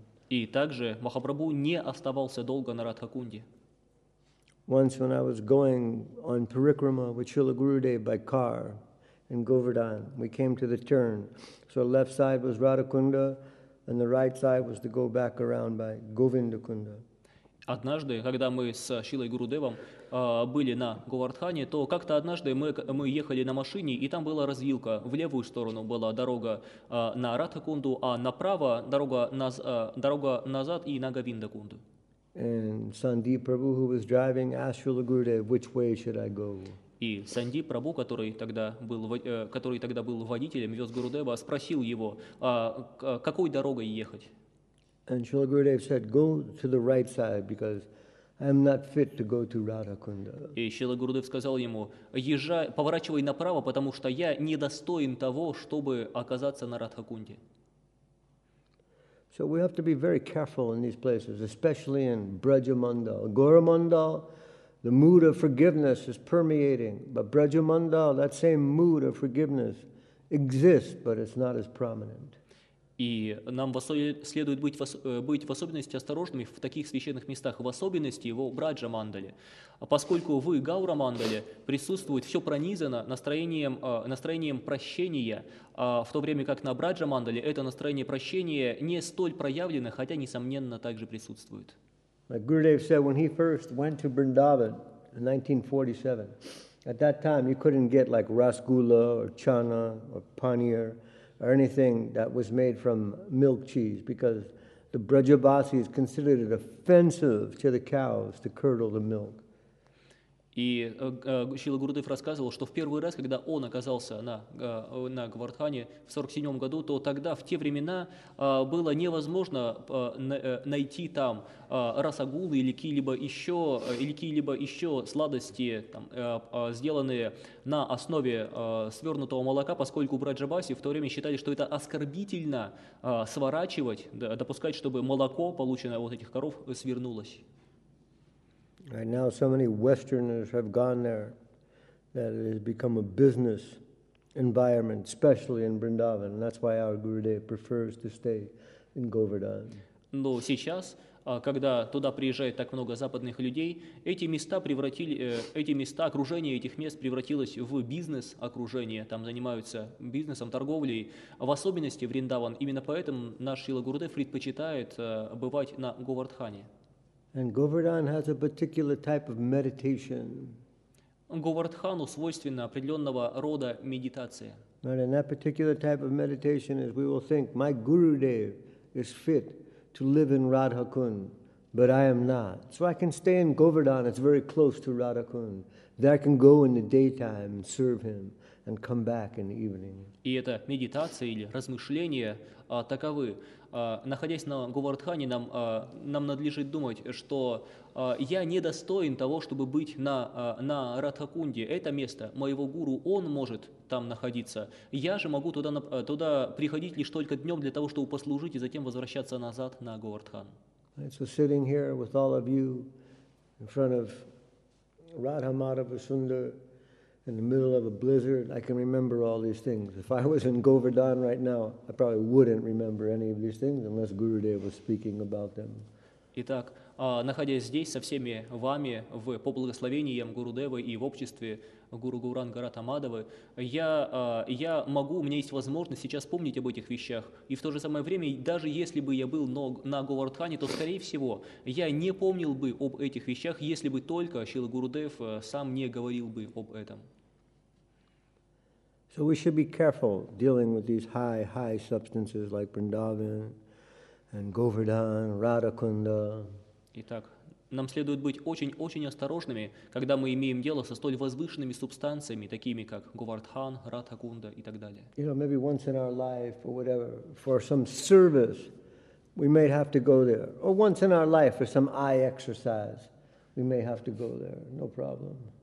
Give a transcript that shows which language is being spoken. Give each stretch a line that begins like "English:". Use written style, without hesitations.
Russian: И также Махапрабху не оставался долго на Радха-кунде.
English: Once when I was going on parikrama with Srila Gurudev by car in Govardhan, we came to the turn. So the left side was Radha-kunda, and the right side was to go back around by Govinda-kunda.
Russian: Однажды, когда мы с Шилой Гурудевом были на Говардхане, то как-то однажды мы ехали на машине, и там была развилка. В левую сторону была дорога на Радха-кунду, а направо дорога назад и на Говинда-кунду.
English: And Sandeep Prabhu, who was driving, asked Srila Gurudev, which way should I go?
Russian: И Сандип Прабху, который тогда был водителем, вез Гурудева, спросил его, какой дорогой ехать.
English: And Srila Gurudev said, go to the right side because I'm not fit to go to Radha-kunda.
Russian: И Шрила Гурудев сказал ему, езжай, поворачивай направо, потому что я недостоин того, чтобы оказаться на Радха-кунде.
English: So we have to be very careful in these places, especially in Brajamandal. Goramandal, the mood of forgiveness is permeating, but Brajamandal, that same mood of forgiveness exists, but it's not as prominent.
Russian: И нам следует быть в особенности осторожными в таких священных местах, в особенности его Браджа-мандале. Поскольку в Гаура-мандале присутствует, все пронизано настроением прощения, в то время как на Браджа-мандале это настроение прощения не столь проявлено, хотя, несомненно, также присутствует.
English: Like Gurudev said, when he first went to Vrindavan in 1947, at that time you couldn't get like rasgulla or chana or paneer, or anything that was made from milk cheese, because the Brajabasis considered it offensive to the cows to curdle the milk.
Russian: И Шрила Гурудев рассказывал, что в первый раз, когда он оказался на Говардхане в 47 году, то тогда, в те времена, было невозможно найти там расагулы или какие-либо еще сладости, там, сделанные на основе свернутого молока, поскольку Браджабаси в то время считали, что это оскорбительно сворачивать, допускать, чтобы молоко, полученное от этих коров, свернулось.
English: Right now, so many Westerners have gone there that it has become a business environment, especially in Vrindavan. And that's why our Gurudev prefers to stay in Govardhan.
Russian: Но сейчас, когда туда приезжает так много западных людей, окружение этих мест превратилось в бизнес-окружение. Там занимаются бизнесом, торговлей, в особенности Вриндаван. Именно поэтому наш Шрила Гурудев предпочитает бывать на Говардхане.
English: And Govardhan has a particular type of meditation.
Russian: Говардхану свойственна определенного рода медитация.
English: And in that particular type of meditation is we will think, my Gurudev is fit to live in Radha-kund, but I am not. So I can stay in Govardhan, it's very close to Radha-kund. There I can go in the daytime and serve him and come back in the evening.
Russian: И это медитация или размышления таковы. Находясь на Говардхане, нам надлежит думать, что я недостоин того, чтобы быть на Радха-кунде. Это место моего гуру, он может там находиться. Я же могу туда приходить лишь только днем для того, чтобы послужить и затем возвращаться назад на Говардхан.
English: Right, so sitting here with all of you in front of Radha Madhava Sundar in the middle of a blizzard, I can remember all these things. If I was in Govardhan right now, I probably wouldn't remember any of these things unless Gurudev was speaking about them.
Russian: Итак, находясь здесь со всеми вами в по благословениям Гурудевы и в обществе Гуру Гауранга Радха Мадхавы, я могу, у меня есть возможность сейчас помнить об этих вещах. И в то же самое время, даже если бы я был на Говардхане, то, скорее всего, я не помнил бы об этих вещах, если бы только Шрила Гурудев сам не говорил бы об этом.
English: So we should be careful dealing with these high substances like Vrindavan and Govardhan, Radha-kunda.
Russian: Итак, нам следует быть очень-очень осторожными, когда мы имеем дело со столь возвышенными субстанциями, такими как Говардхан, Радха-кунда и так далее.
English: You know, maybe once in our life or whatever, for some service, we may have to go there. Or once in our life for some eye exercise, we may have to go there, no problem.